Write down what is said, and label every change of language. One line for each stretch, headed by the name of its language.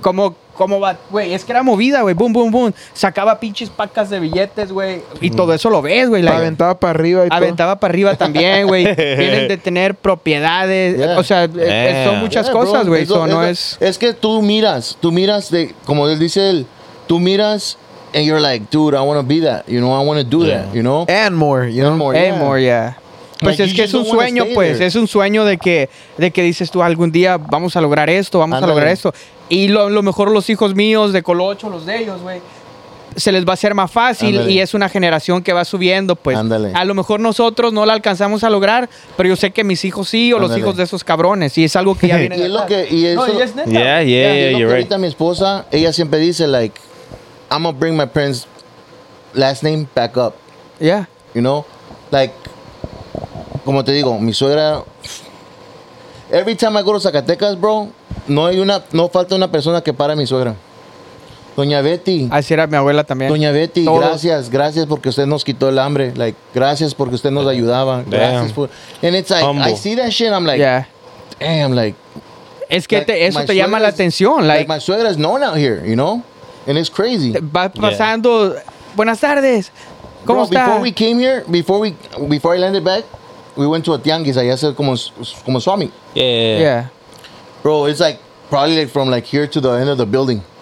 Spanish: Cómo va, güey. Es que era movida, güey. Boom, boom, boom. Sacaba pinches pacas de billetes, güey. Y todo eso lo ves, güey. Aventaba para arriba y todo. Aventaba para arriba también, güey. Vienen de tener propiedades. Yeah. O sea, son muchas cosas, güey. Es que tú miras, de como él dice, tú miras...
English: And you're like, dude, I want to be that. You know, I want to do that, you know? And more, you know? And more, yeah.
Spanish: Pues like, es que es un sueño, pues.
English: There.
Spanish: Es un sueño de que dices tú, algún día vamos a lograr esto, vamos a lograr esto. Y lo mejor los hijos míos de Colocho, los de ellos, güey, se les va a hacer más fácil. Andale. Y es una generación que va subiendo, pues. Ándale. A lo mejor nosotros no la alcanzamos a lograr, pero yo sé que mis hijos sí, o los hijos de esos cabrones. Y es algo que ya viene y de es lo que, y eso, no, y es neta.
English: Yeah, you're right.
Spanish: Ahorita mi esposa, ella siempre dice,
English: like, I'm gonna bring my parents' last name back up. Yeah. You know?
Spanish: Like, como te digo, mi suegra.
English: Every time I go to Zacatecas, bro,
Spanish: no falta una persona que para a mi suegra.
English: Doña Betty.
Spanish: Así era mi abuela también. Doña Betty, todo. gracias porque usted nos quitó el hambre. Like, gracias porque usted nos ayudaba. Damn. Gracias por.
English: And it's like, humble. I see that shit, I'm like, yeah. Damn, like.
Spanish: Es que like, eso te llama la atención.
English: Like, my suegra is known out here, you know? And it's crazy.
Spanish: Va pasando. Yeah. Buenas tardes. ¿Cómo
English: bro,
Spanish: está?
English: Before we came here, before I landed back, we went to a tianguis.
Spanish: Allá se como swami.
English: Yeah. Bro, it's like probably like from like here to the end of the building.